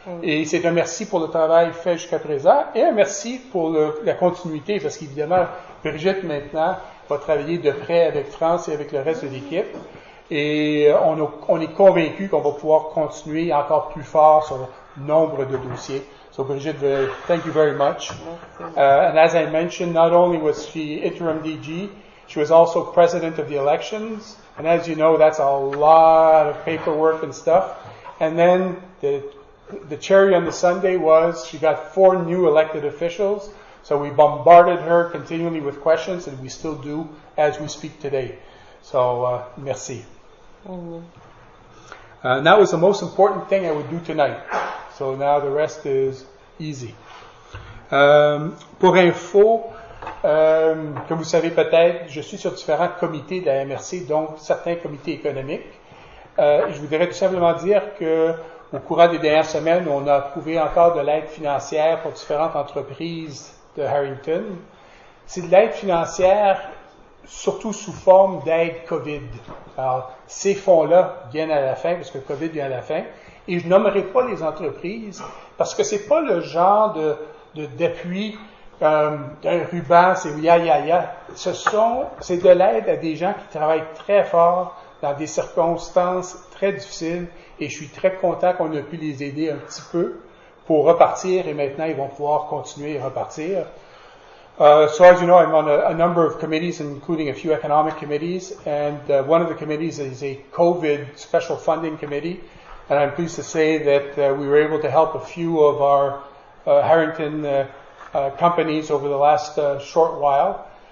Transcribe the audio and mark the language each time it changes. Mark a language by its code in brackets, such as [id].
[fr] Et c'est un merci pour le travail fait jusqu'à présent, et un merci pour la continuité, parce qu'évidemment, Brigitte, maintenant, va travailler de près avec France et avec le reste de l'équipe. Et on est convaincu qu'on va pouvoir continuer encore plus fort sur nombre de dossiers. [en] So Brigitte, thank you very much. And as I mentioned, not only was she interim DG, she was also president of the elections. And as you know, that's a lot of paperwork and stuff. And then the cherry on the sundae was she got 4 new elected officials. So we bombarded her continually with questions, and we still do as we speak today. So, merci. And that was the most important thing I would do tonight. So now the rest is easy. [fr] Pour info, comme vous savez peut-être, je suis sur différents comités de la MRC, dont certains comités économiques. Je voudrais tout simplement dire que au courant des dernières semaines, on a approuvé encore de l'aide financière pour différentes entreprises de Harrington. C'est de l'aide financière surtout sous forme d'aide COVID. Alors, ces fonds-là viennent à la fin, parce que COVID vient à la fin, et je nommerai pas les entreprises, parce que c'est pas le genre d'appui d'un ruban, c'est « ya, ya, ya ». C'est de l'aide à des gens qui travaillent très fort, dans des circonstances très difficiles, et je suis très content qu'on ait pu les aider un petit peu pour repartir, et maintenant ils vont pouvoir continuer et repartir. [en] So as you know, I'm on a number of committees, including a few economic committees, and one of the committees is a COVID special funding committee, and I'm pleased to say that we were able to help a few of our Harrington companies over the last short while.